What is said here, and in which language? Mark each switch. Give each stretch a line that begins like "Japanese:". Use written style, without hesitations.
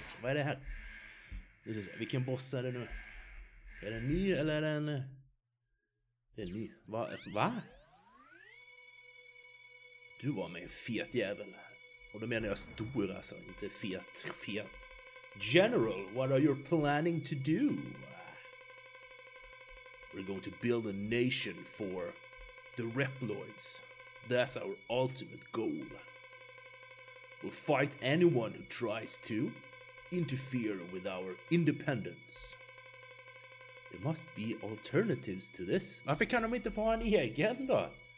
Swedish: Vad är det här? Vilken boss är det nu? Är den ny eller är den... Det är ny. Va? Du var med en fet jävel. Och då menar jag stor alltså, inte fet.
English: General, what are you planning to do? We're going to build a nation for the Reploids. That's our ultimate goal. We'll fight anyone who tries to interfere with our independence. There must be alternatives to this.
Swedish: Varför kan de inte få ha en egen då?